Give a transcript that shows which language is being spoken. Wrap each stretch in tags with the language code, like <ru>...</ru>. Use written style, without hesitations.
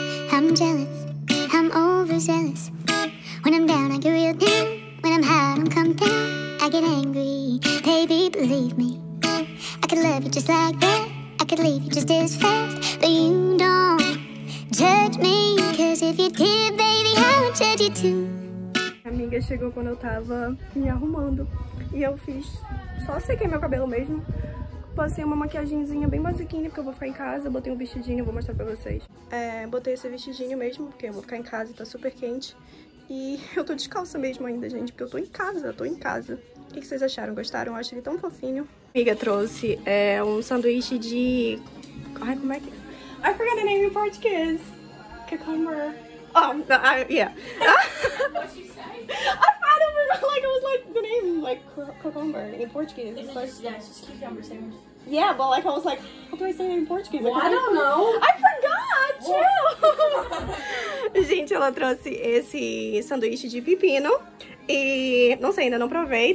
<en>I'm jealous, I'm overzealous. When I'm down, I get real down. When I'm high, I don't come down. I get angry, baby, believe me. I could love you just like that. I could leave you just as fast. But you don't judge me. Cause if you did, baby, I would judge you too.</en> <pt>Minha amiga chegou quando eu tava me arrumando. E eu fiz, só sequei meu cabelo mesmo. Passei uma maquiagemzinha bem basiquinha, porque eu vou ficar em casa. Botei um vestidinho, vou mostrar pra vocês. Botei esse vestidinho mesmo, porque eu vou ficar em casa e tá super quente. E eu tô descalça mesmo ainda, gente, porque eu tô em casa. O que vocês acharam? Gostaram? Eu acho ele tão fofinho. Minha amiga trouxe um sanduíche de... Ai, como é que...</pt> <en>I forgot the name in Portuguese. Cucumber. What'd you say? I don't remember, like, it was like, the name is like cucumber in Portuguese. It's like... Yeah, it's just cucumber sandwich. Yeah, but like, I was like, how do I say it in Portuguese? Well, I don't know. I forgot, too.</en> <pt>Gente, ela trouxe esse sanduíche de pepino. E não sei, ainda não provei.</pt>